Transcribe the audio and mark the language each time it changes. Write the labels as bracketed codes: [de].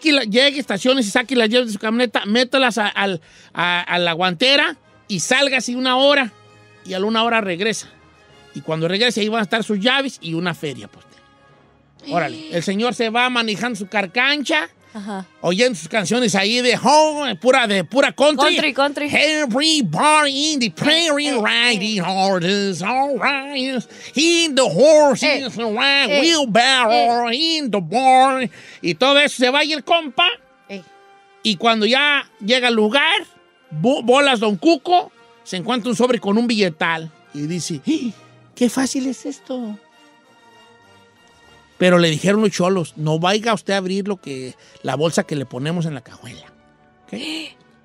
[es] Llegue, estacione y saque las llaves de su camioneta, métalas a la guantera y salga así una hora. Y a la una hora regresa. Y cuando regrese ahí van a estar sus llaves y una feria. Pues. Órale, el señor se va manejando su carcancha. Ajá. Oyendo sus canciones ahí de home, pura country. [en] Country. Everybody in the prairie riding horses, all right. In the horses, wheelbarrow, in the barn. [es] Y todo eso se va y el compa. Y cuando ya llega al lugar, bolas Don Cuco, se encuentra un sobre con un billetal. Y dice: ¡qué fácil es esto! Pero le dijeron los cholos, no vaya usted a abrir la bolsa que le ponemos en la cajuela. ¿Qué?